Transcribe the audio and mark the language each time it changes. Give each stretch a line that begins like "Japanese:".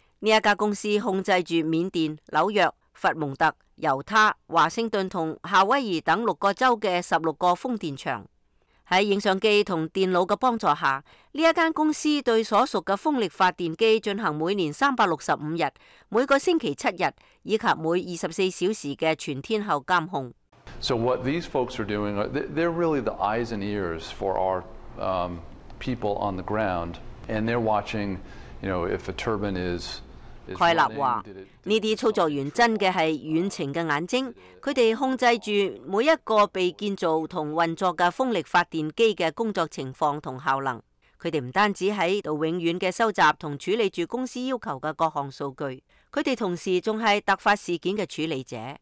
Chinese: 这家公司控制着缅甸、纽约、佛蒙特、犹他、华盛顿和夏威夷等6个州的16个风电场。在影像机和电脑的帮助下，这家公司对所属的风力发电机进行每年365日、每个星期7日以及每24小时的全天候监控。
English: So what these folks are doing, they're really the eyes and ears for our people on the ground, and they're watching, you know, if a turbine is.
Chinese: 蓋納說，這些操作員真的是遠程的眼睛，他們控制著每一個被建造和運作的風力發電機的工作情況和效能。他們不單止在度永遠的收集和處理著公司要求的各項數據，他們同時還是突發事件的處理者。